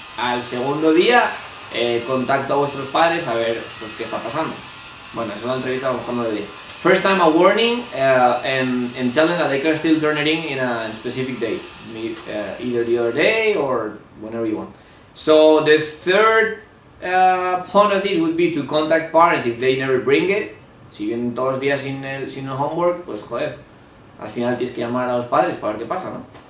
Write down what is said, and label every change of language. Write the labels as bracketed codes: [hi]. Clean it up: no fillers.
[es] Al segundo día, contacto a vuestros padres a ver pues, qué está pasando. Bueno, es una entrevista a lo mejor no lo diría. [en] First time a warning and tell them that they can still turn it in a specific day. Either the other day or whenever you want. So the third point of this would be to contact parents if they never bring it. [es] Si vienen todos los días sin el homework, pues joder. Al final tienes que llamar a los padres para ver qué pasa, ¿no?